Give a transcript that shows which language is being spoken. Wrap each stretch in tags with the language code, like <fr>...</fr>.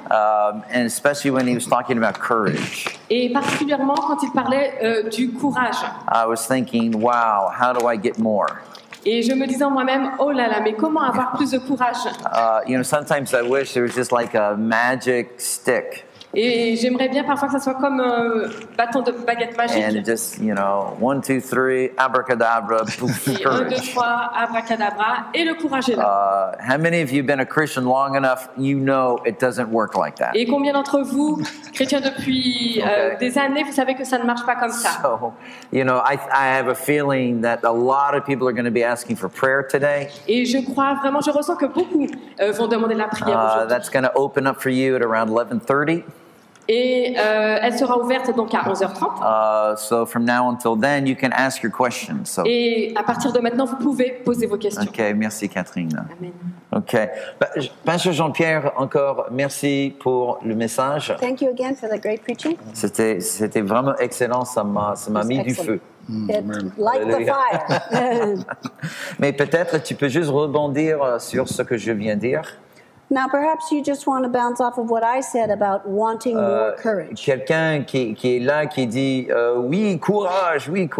<en>and especially when he was talking about courage,</en> <fr>et particulièrement quand il parlait du courage,</fr> <en>I was thinking, wow, how do I get more?</en> <fr>Et je me disais moi-même, oh là là, mais comment avoir plus de courage?</fr> <en>You know, sometimes I wish there was just like a magic stick.</en> <fr>Et j'aimerais bien parfois que ça soit comme un bâton de baguette magique.</fr> <en>And just, you know, 1, 2, 3, abracadabra, poof, courage.</en> <fr>1, 2, 3, abracadabra, et le courage est là.</fr> <en>How many of you have been a Christian long enough, you know it doesn't work like that.</en> <fr>Et combien d'entre vous, chrétiens depuis des années, vous savez que ça ne marche pas comme ça.</fr> <en>So, you know, I have a feeling that a lot of people are going to be asking for prayer today.</en> <fr>Et je crois vraiment, je ressens que beaucoup vont demander la prière aujourd'hui.</fr> <en>That's going to open up for you at around 11:30.</en> <fr>Et elle sera ouverte donc à 11h30.</fr> <en>So from now until then, you can ask your questions. So.</en> <fr>Et à partir de maintenant, vous pouvez poser vos questions. Ok, merci Catherine. Amen. Ok. Pasteur Jean-Pierre, encore merci pour le message.</fr> <en>Thank you again for the great preaching.</en> <fr>C'était vraiment excellent, ça m'a mis</fr> <en>excellent.</en> <fr>Du feu.</fr> <en>Light the fire.</en> <fr>Mais peut-être tu peux juste rebondir sur ce que je viens de dire.</fr> <en>Now perhaps you just want to bounce off of what I said about wanting more courage.</en> <fr>Quelqu'un qui est là qui dit oui, courage.</fr>